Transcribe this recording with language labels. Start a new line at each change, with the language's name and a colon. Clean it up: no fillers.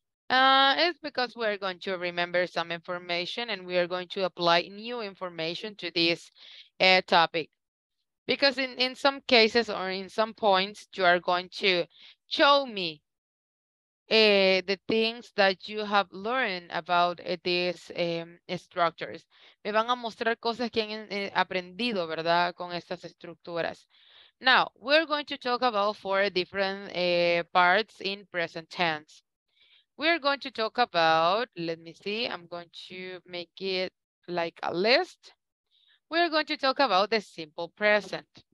English: It's because we're going to remember some information and we are going to apply new information to this topic. Because in some cases or in some points, you are going to show me the things that you have learned about these structures.
Spanish: Me van a mostrar cosas que han aprendido, ¿verdad?, con estas estructuras.
English: Now, we're going to talk about four different parts in present tense. We're going to talk about, let me see, I'm going to make it like a list. We're going to talk about the simple present.